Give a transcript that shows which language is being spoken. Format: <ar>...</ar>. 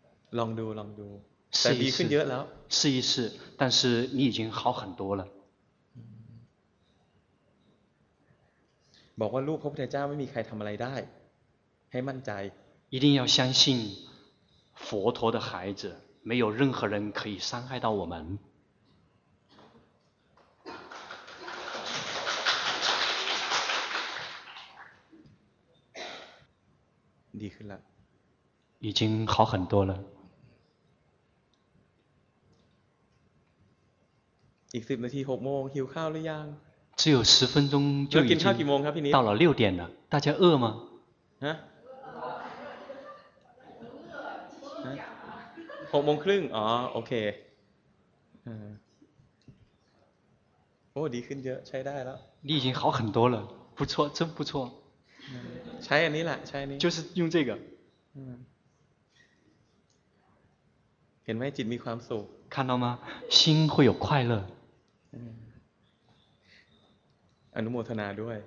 <th>ลองดูลองดูแต่ดีขึ้นเยอะแล้ว</th> <zh>试一试，但是你已经好很多了。</zh> <th>บอกว่ารูปพระพุทธเจ้าไม่มีใครทำอะไรได้ให้มั่นใจ</th> <zh>一定要相信佛陀的孩子没有任何人可以伤害到我们</zh> <th>ดีขึ้นแล้ว</th> <zh>已经好很多了</zh> <th>อีก10นาที6โมงหิวข้าวหรือยัง</th> <zh>只有10分钟就已经</zh> <th>กินข้าวกี่โมง ครับพี่นิด</th> <zh>到了6点了大家饿吗</zh> <th>หกโมงครึ่งอ๋อโอเคโอ้ดีขึ้นเยอะใช้ได้แล้ว</th> <zh>你已经好很多了不错真不错</zh> <th>ใช้อันนี้แหละใช้อันนี้</th> <zh>就是用这个</zh> <th>เห็นไหมจิตมีความสุข</th> <zh>看到吗心会有快乐</zh> <th>อนุโมทนาด้วย</th>